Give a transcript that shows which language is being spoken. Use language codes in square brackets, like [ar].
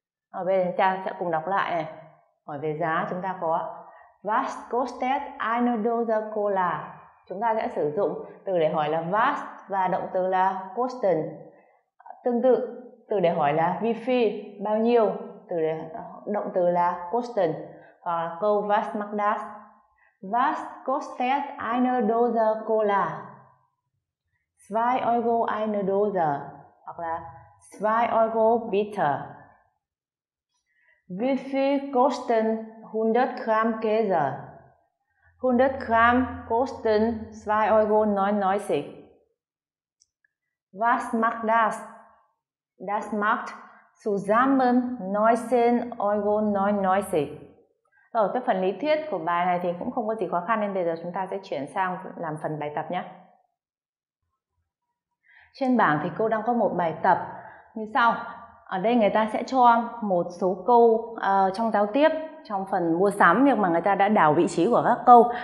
[vi] Ở bên chúng ta sẽ cùng đọc lại này. Hỏi về giá chúng ta có [de] Was kostet eine Dose Cola? [vi] Chúng ta sẽ sử dụng từ để hỏi là was và động từ là kosten. Tương tự từ để hỏi là wie viel, bao nhiêu, từ để động từ là kosten, hoặc là câu [de] was macht das. Was kostet eine Dose Cola? 2 euro eine Dose, [vi] hoặc là [de] 2 euro bitter. Wie viel kosten 100 gram Käse? 100 gram kosten 2 euro 99. Was macht das? Das macht zusammen 19 euro 99. [vi] Rồi, cái phần lý thuyết của bài này thì cũng không có gì khó khăn, nên bây giờ chúng ta sẽ chuyển sang làm phần bài tập nhé. Trên bảng thì cô đang có một bài tập như sau. Ở đây người ta sẽ cho một số câu trong giao tiếp, trong phần mua sắm, nhưng mà người ta đã đảo vị trí của các câu.